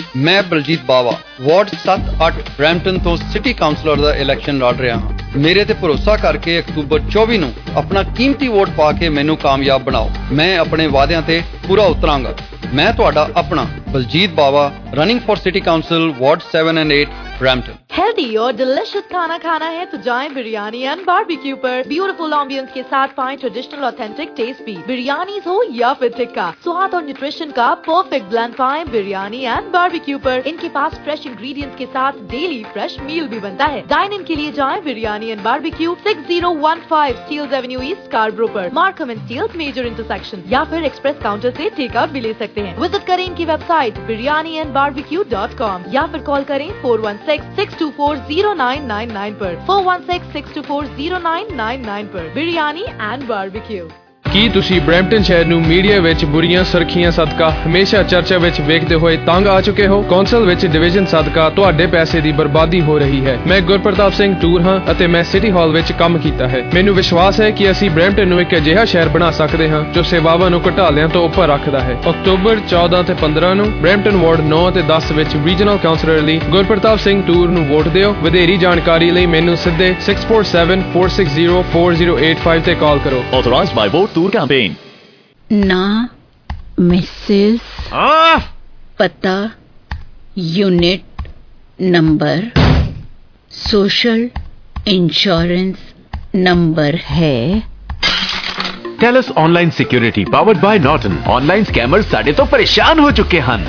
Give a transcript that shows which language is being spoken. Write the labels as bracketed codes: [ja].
[pa] ਮੈਂ ਬਲਜੀਤ ਬਾਵਾ ward 7-8 Brampton ਤੋਂ city councillor ਦਾ election ਲੜ ਰਿਹਾ ਹਾਂ। ਮੇਰੇ ਤੇ ਭਰੋਸਾ ਕਰਕੇ 1 ਅਕਤੂਬਰ 2024 ਨੂੰ ਆਪਣਾ ਕੀਮਤੀ ਵੋਟ ਪਾ ਕੇ ਮੈਨੂੰ ਕਾਮਯਾਬ ਬਣਾਓ। ਮੈਂ ਆਪਣੇ ਵਾਅਦਿਆਂ ਤੇ ਪੂਰਾ ਉਤਰਾਂਗਾ। ਮੈਂ ਤੁਹਾਡਾ ਆਪਣਾ ਬਲਜੀਤ ਬਾਵਾ, [en] Running for city council ward 7 and 8। [hi] Healthy और डिलिशियस खाना खाना है तो जाए बिरयानी एंड बारबेक्यू पर। ब्यूटीफुल एम्बियंस के साथ पाएं ट्रेडिशनल ऑथेंटिक टेस्ट भी। बिरयानीज हो या फिर टिक्का, स्वाद और न्यूट्रिशन का परफेक्ट ब्लेंड पाएं बिरयानी एंड बारबेक्यू पर। इनके पास फ्रेश इंग्रेडिएंट्स के साथ डेली फ्रेश मील भी बनता है। डाइन इन के लिए जाए biryani and barbecue, 6015 steels Avenue east Scarborough पर, Markham and steels major intersection, या फिर एक्सप्रेस काउंटर से टेक आउट भी ले सकते हैं। विजिट करें इनकी वेबसाइट biryaniandbarbecue.com या फिर कॉल करें 416-624-0999 पर, 416-624-0999 पर। Biryani and barbecue. [pa] ਕੀ ਤੁਸੀਂ ਬ੍ਰੈਂਪਟਨ ਸ਼ਹਿਰ ਨੂੰ ਮੀਡੀਆ ਵਿੱਚ ਬੁਰੀਆਂ ਸੁਰਖੀਆਂ ਸਦਕਾ ਹਮੇਸ਼ਾ ਚਰਚਾ ਵਿੱਚ ਵੇਖਦੇ ਹੋਏ ਤੰਗ ਆ ਚੁੱਕੇ ਹੋ? ਕੌਂਸਲ ਵਿੱਚ ਡਿਵੀਜ਼ਨ ਸਦਕਾ ਤੁਹਾਡੇ ਪੈਸੇ ਦੀ ਬਰਬਾਦੀ ਹੋ ਰਹੀ ਹੈ। ਮੈਂ ਗੁਰਪ੍ਰਤਾਪ ਸਿੰਘ ਟੂਰ ਹਾਂ ਅਤੇ ਮੈਂ ਸਿਟੀ ਹਾਲ ਵਿੱਚ ਕੰਮ ਕੀਤਾ ਹੈ। ਮੈਨੂੰ ਵਿਸ਼ਵਾਸ ਹੈ ਕਿ ਅਸੀਂ ਬ੍ਰੈਂਪਟਨ ਨੂੰ ਇੱਕ ਅਜਿਹਾ ਸ਼ਹਿਰ ਬਣਾ ਸਕਦੇ ਹਾਂ ਜੋ ਸੇਵਾਵਾਂ ਨੂੰ ਘਟਾਲਿਆਂ ਤੋਂ ਉੱਪਰ ਰੱਖਦਾ ਹੈ। ਅਕਤੂਬਰ 14 ਤੇ 15 ਨੂੰ ਬ੍ਰੈਂਪਟਨ ਵਾਰਡ 9 ਅਤੇ 10 ਵਿੱਚ ਰੀਜਨਲ ਕਾਉਂਸਲਰ ਲਈ ਗੁਰਪ੍ਰਤਾਪ ਸਿੰਘ ਟੂਰ ਨੂੰ ਵੋਟ ਦਿਓ। ਵਧੇਰੀ ਜਾਣਕਾਰੀ ਲਈ ਮੈਨੂੰ ਸਿੱਧੇ 6474604085 ਤੇ ਕਾਲ ਕਰੋ। [en] Authorised by vote tour campaign. [hi] ना मिसेस, पता, unit number, social insurance number है। Tells online security powered by Norton. Online scammer साढ़े तो परेशान हो चुके हैं।